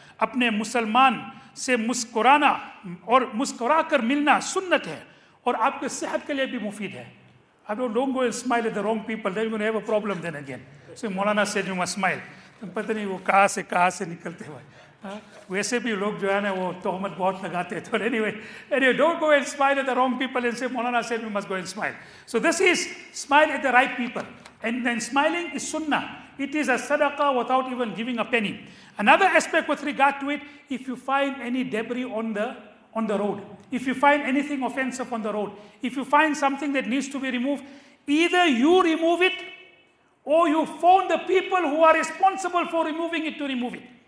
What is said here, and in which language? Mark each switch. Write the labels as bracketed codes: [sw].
[ur] Apne musalman سے مسکرانا اور مسکرا کر ملنا سنت ہے, اور آپ کے صحت کے لیے بھی مفید ہے. [en] I don't go and smile at the wrong people, then you're going to have a problem then again. So Maulana said you must smile. [ur] تم پتہ نہیں وہ کہاں سے نکلتے ہوئے, ویسے بھی لوگ جو ہے نا وہ تہمت بہت لگاتے ہیں. [en] But anyway, don't go and smile at the wrong people and say Maulana said we must go and smile. So this is smile at the right people. And then smiling is sunnah. It is a sadaqah without even giving a penny. Another aspect with regard to it, if you find any debris on the road, if you find anything offensive on the road, if you find something that needs to be removed, either you remove it or you phone the people who are responsible for removing it to remove it.